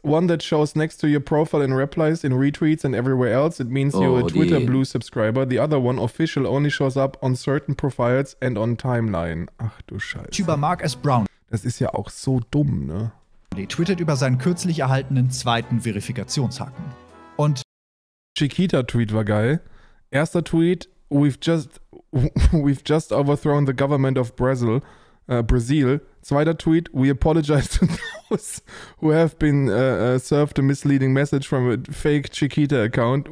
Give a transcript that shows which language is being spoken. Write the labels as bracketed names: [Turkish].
[English] One that shows next to your profile in replies, in retweets and everywhere else. It means you're a Twitter Blue subscriber. The other one, official, only shows up on certain profiles and on timeline. [German] Ach du Scheiße. YouTuber Mark S. Brown. Das ist ja auch so dumm, ne? Er twittert über seinen kürzlich erhaltenen zweiten Verifikationshaken. Und Chiquita-Tweet war geil. Erster Tweet, [English] we've just overthrown the government of Brazil. Brazil. [German] Zweiter Tweet, [English] we apologize to those who have been served a misleading message from a fake Chiquita account.